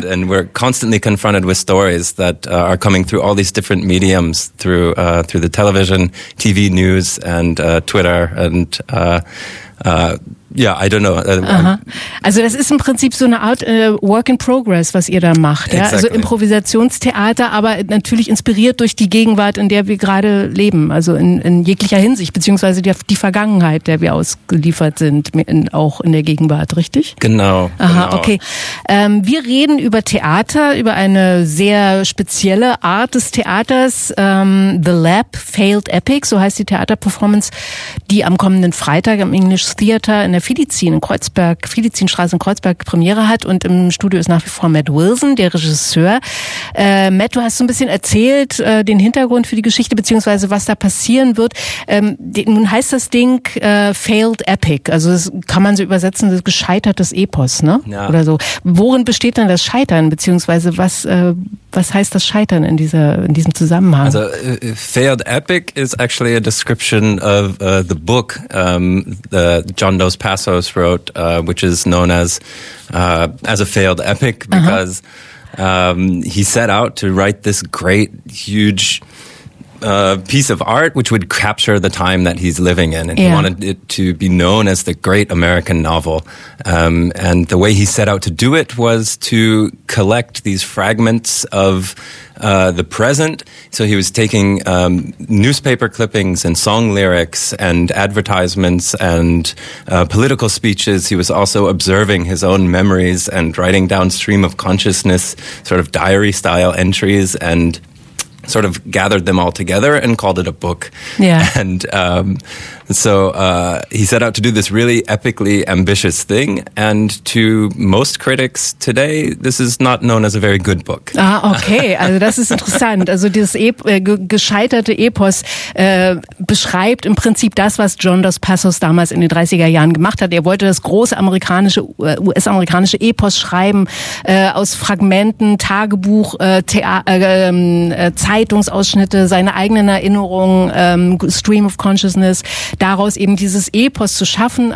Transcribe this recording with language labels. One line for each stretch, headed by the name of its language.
English: And we're constantly confronted with stories that are coming through all these different mediums, through through the television, TV news, and Twitter, and I don't know.
German: Also das ist im Prinzip so eine Art Work in Progress, was ihr da macht.
English: Exactly.
German: Ja? Also Improvisationstheater, aber natürlich inspiriert durch die Gegenwart, in der wir gerade leben. Also in jeglicher Hinsicht, beziehungsweise die Vergangenheit, der wir ausgeliefert sind, auch in der Gegenwart, richtig? Genau. Okay. Wir reden über Theater, über eine sehr spezielle Art des Theaters. The Lab Failed Epic, so heißt die Theaterperformance, die am kommenden Freitag im English Theater in der Filizin in Kreuzberg, Filizinstraße in Kreuzberg Premiere hat, und im Studio ist nach wie vor Matt Wilson, der Regisseur. Matt, du hast so ein bisschen erzählt, den Hintergrund für die Geschichte, beziehungsweise was da passieren wird. Nun heißt das Ding Failed Epic, also das kann man so übersetzen, das gescheitertes Epos, ne? Ja. Oder so. Worin besteht denn das Scheitern, beziehungsweise was heißt das Scheitern in diesem Zusammenhang?
English: Also Failed Epic is actually a description of the book John Dos Passos wrote, which is known as a failed epic, because he set out to write this great, huge piece of art which would capture the time that he's living in, and yeah. he wanted it to be known as the great American novel, and the way he set out to do it was to collect these fragments of the present. So he was taking newspaper clippings and song lyrics and advertisements and political speeches. He was also observing his own memories and writing down stream of consciousness, sort of diary style entries, and sort of gathered them all together and called it a book. Yeah. And so he set out to do this really epically ambitious thing. And to most critics today, this is not known as a very good book.
German: Ah, okay. Also das ist interessant. Also dieses gescheiterte Epos beschreibt im Prinzip das, was John Dos Passos damals in den 30er Jahren gemacht hat. Er wollte das große amerikanische, US-amerikanische Epos schreiben, aus Fragmenten, Tagebuch, Zeitungsausschnitte, seine eigenen Erinnerungen, Stream of Consciousness, daraus eben dieses Epos zu schaffen.